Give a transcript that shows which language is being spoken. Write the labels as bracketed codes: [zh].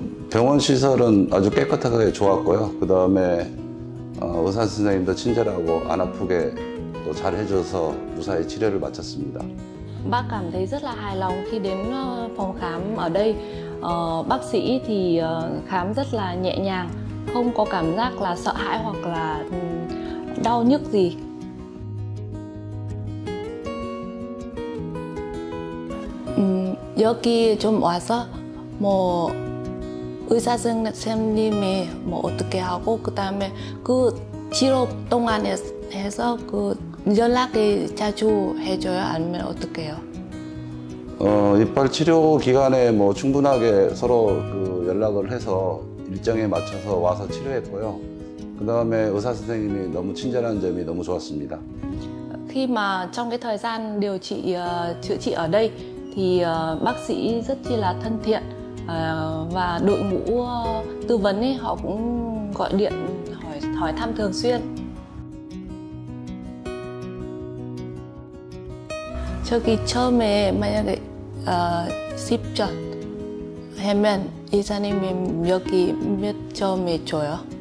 [ko] 병원 시설은 아주 깨끗하게 좋았고요. 그 다음에 의사 선생님도 친절하고 안 아프게 또잘 해줘서 무사히 치료를 마쳤습니다. [vi] Bác cảm thấy rất là hài lòng khi đến phòng khám ở đây. Bác sĩ thì khám rất là nhẹ nhàng, không có cảm giác là sợ hãi hoặc là đau nhức gì. [ko] 여기 좀 와서 뭐 의사 선생님이 뭐 어떻게 하고, 그다음에 그 치료 동안에 해서 그 연락이 자주 해줘요 아니면 어떻게 해요? 이빨 치료 기간에 뭐 충분하게 서로 그 연락을 해서 일정에 맞춰서 와서 치료했고요. 그 다음에 의사 선생님이 너무 친절한 점이 너무 좋았습니다. [vi] Khi mà trong cái thời gian điều trị chữa trị ở đây thì bác sĩ rất chi là thân thiện, và đội ngũ tư vấn ấy họ cũng gọi điện hỏi hỏi thăm thường xuyên. [ko] 저기 처음에 만약에 10점 하면 이사님이 여기 몇 점에 줘요?